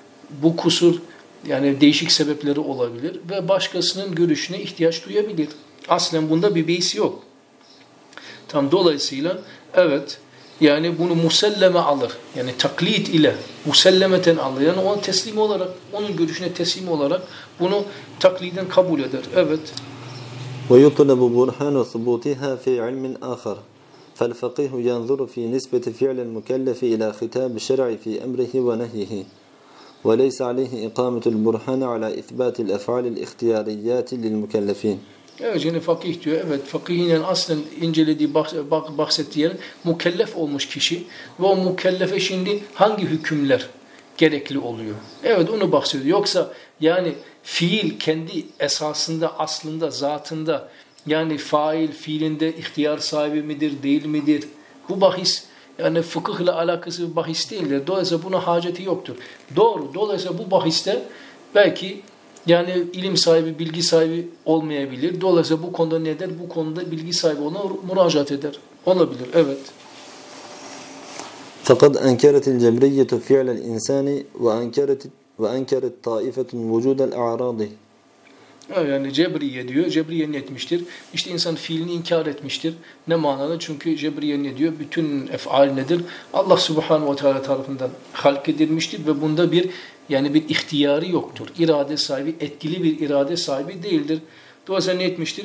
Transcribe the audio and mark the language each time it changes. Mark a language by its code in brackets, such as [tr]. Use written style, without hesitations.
[tr] Bu kusur yani değişik sebepleri olabilir ve başkasının görüşüne ihtiyaç duyabilir. Aslen bunda bir beis yok. Tam dolayısıyla evet yani bunu muselleme alır. Yani taklit ile musellemeten alır. Yani ona teslim olarak, onun görüşüne teslim olarak bunu takliden kabul eder. Evet. [ar] وَيُطْلَبُ بُرْحَانُ ثُبُوتِهَا فِي عِلْمٍ آخَرٍ فَالْفَقِيهُ يَنْظُرُ فِي نِسْبَةِ فِعْلَ الْمُكَلَّفِ إِلَى خِتَابِ الشَّرْعِ فِي أَمْرِهِ وَنَهِيهِ وليس عليه إقامة البرهان على إثبات الأفعال الاختياريات للمكلفين. [tr] Evet, yani fakih diyor. Evet, fakihin yani aslen incelediği bahsettiği yer mükellef olmuş kişi ve o mükellefe şimdi hangi hükümler gerekli oluyor? Evet, onu bahsediyor. Yoksa yani fiil kendi esasında, aslında, zatında yani fail fiilinde ihtiyar sahibi midir, değil midir? Bu bahis yani fıkıhla alakası bir bahis değildir. Dolayısıyla buna haceti yoktur. Doğru. Dolayısıyla bu bahiste belki yani ilim sahibi, bilgi sahibi olmayabilir. Dolayısıyla bu konuda ne der? Bu konuda bilgi sahibi ona müracaat eder. Olabilir. Evet. [ar] فقد أنكرت الجبرية فعل الإنسان وأنكرت طائفة وجود الأعراض. [tr] Yani cebriye diyor, cebriye netmiştir. İşte insan fiilini inkar etmiştir. Ne manada? Çünkü cebriye ne diyor? Bütün efal nedir? Allah Subhanahu ve Teala tarafından halk edilmiştir ve bunda bir yani bir ihtiyarı yoktur. İrade sahibi, etkili bir irade sahibi değildir. Dolayısıyla ne etmiştir?